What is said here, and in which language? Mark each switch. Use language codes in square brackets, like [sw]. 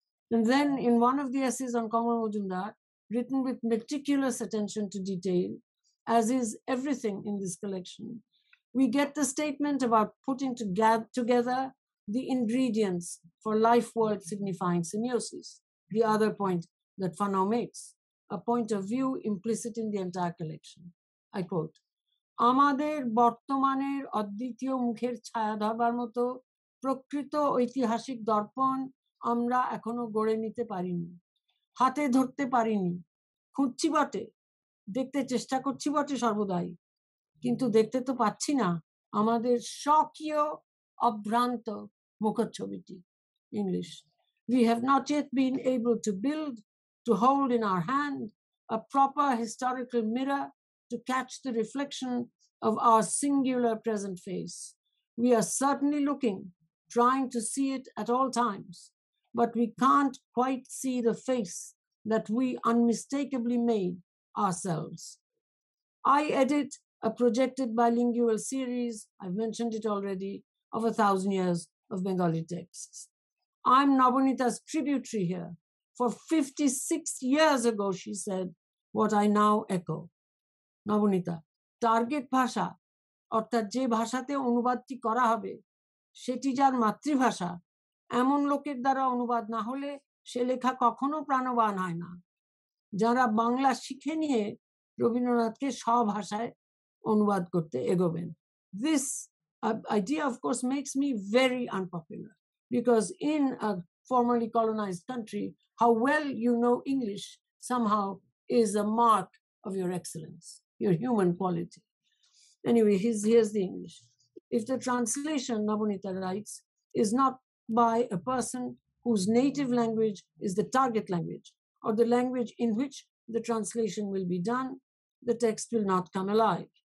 [en] And then in one of the essays on Komal Majumdar, written with meticulous attention to detail, as is everything in this collection, we get the statement about putting together the ingredients for life world signifying semiosis, the other point that Fanon makes, a point of view implicit in the entire collection. I quote, [bn] Amader bortomaner additiyo mukher chhaya dhabar moto প্রকৃত ঐতিহাসিক দর্পণ আমরা এখনো গড়ে নিতে পারিনি হাতে ধরতে পারিনি খুঁজছি বটে দেখতে চেষ্টা করছি বটে সর্বদাই কিন্তু দেখতে তো পাচ্ছি না আমাদের স্বকীয় অভ্রান্ত মুখচ্ছবিটি [en] English we have not yet been able to build to hold in our hand a proper historical mirror to catch the reflection of our singular present face we are certainly looking trying to see it at all times, but we can't quite see the face that we unmistakably made ourselves. I edit a projected bilingual series, I've mentioned it already, of 1,000 years of Bengali texts. I'm Nabaneeta's tributary here. For 56 years ago, she said, what I now echo. [bn] Nabaneeta, target bhasha, ortat je bhashate onubadti kora hobe, সেটি যার মাতৃভাষা এমন লোকের দ্বারা অনুবাদ না হলে সে লেখা কখনো প্রাণবান হয় না যারা বাংলা শিখে নিয়ে রবীন্দ্রনাথকে সব ভাষায় অনুবাদ করতে এগোবেন [en] This idea of course makes me very unpopular because in a formerly colonised country how well you know English somehow is a mark of your excellence, your human quality. Anyway, here's the English. If the translation, Nabaneeta writes, is not by a person whose native language is the target language or the language in which the translation will be done, the text will not come alive.